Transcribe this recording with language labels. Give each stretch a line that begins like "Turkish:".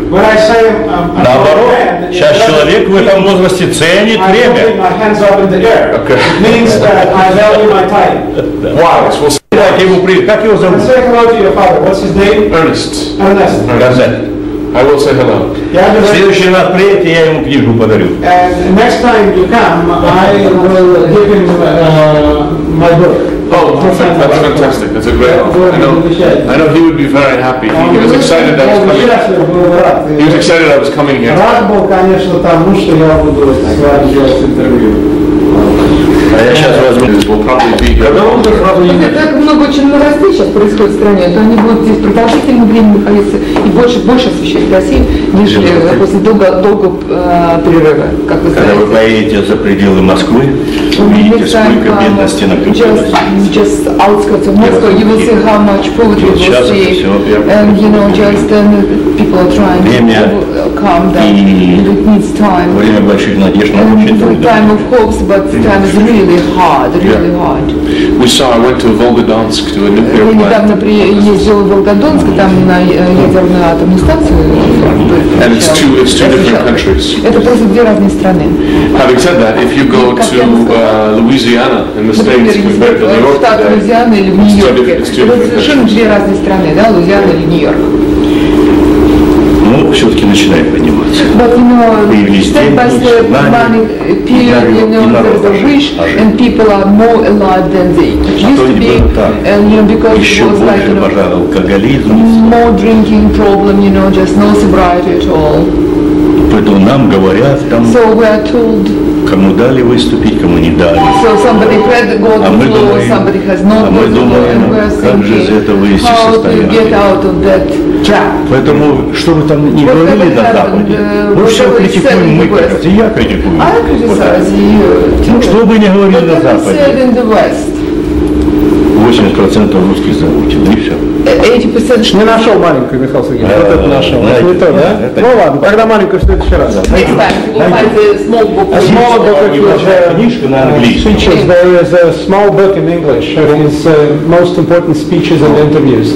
Russian: Наоборот, сейчас человек в этом возрасте ценит время. Как его зовут? Эрнест. Эрнест.
English: I will say hello.
Russian: Yeah, в следующий раз приедете, я ему книжку подарю.
English: Next time you come, I will give him my book. Oh, perfect. That's fantastic. That's a great offer. I know he would be very happy. He was excited that I was coming. He was excited I was coming here.
Russian: Рад был, конечно, тому, что я буду с вами делать интервью. Так много очень новостей сейчас происходит в стране, то они будут здесь продолжительное время находиться и больше освещать Россию, нежели после долгого перерыва, как вы знаете. Когда вы поедете за пределы Москвы, увидите, сколько бедности накопилось.
English: Just outskirts of Moscow, you will see how much poverty will see. And you know, just then people are trying to calm down. It needs time.
Russian: Время больших надежд, но очень трудно.
English: Time of hopes, but time is really hard. We saw. I went to Volgodonsk to a nuclear plant.
Russian: Я недавно приехал в Волгодонск, там на ядерную атомную станцию.
English: And it's two different countries.
Russian: Это просто две разные страны.
English: Having said that, if you go to Louisiana in the States, compared to New York,
Russian: это совершенно две разные страны, да, Луизиана или Нью-Йорк. Ну, все-таки начинает подниматься.
English: But you know, step by step, money, rich, and people are more alive than they used to be, and you know, because it was like more drinking problem, you know, just no sobriety at all.
Russian: Поэтому нам говорят там, кому дали выступить, кому не дали.
English: So somebody had got the floor, somebody has not got the floor, and we're thinking,
Russian: как же из этого выйти состояние?
English: How to get out of that trap?
Russian: Поэтому, что бы там ни говорили на Западе, мы все критикуем, мы критикуем, я критикую.
English: I criticize you.
Russian: Ну, что бы ни говорили на Западе, вы 80% русских заучил, и все. 80%? Не нашел маленькую, Михаил Сергеевич, вот это нашел. Это не то, да? Ну ладно, тогда маленькую, что это еще раз.
English: Next time, we'll find the small book. A small book,
Russian: книжка на английском.
English: Speeches, there is a small book in English, his most important speeches and interviews.